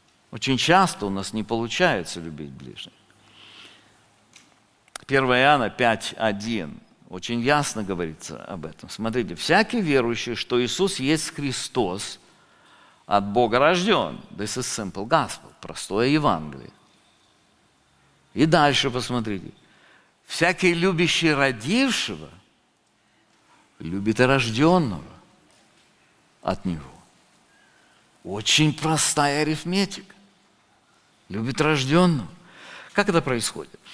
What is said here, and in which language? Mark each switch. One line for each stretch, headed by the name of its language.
Russian: Очень часто у нас не получается любить ближних. 1 Иоанна 5:1 очень ясно говорится об этом. Смотрите, всякий верующий, что Иисус есть Христос, от Бога рожден.
English: This is simple gospel,
Russian: простое Евангелие. И дальше посмотрите. Всякий любящий родившего любит и рожденного от него. Очень простая арифметика. Любит рожденного. Как это происходит?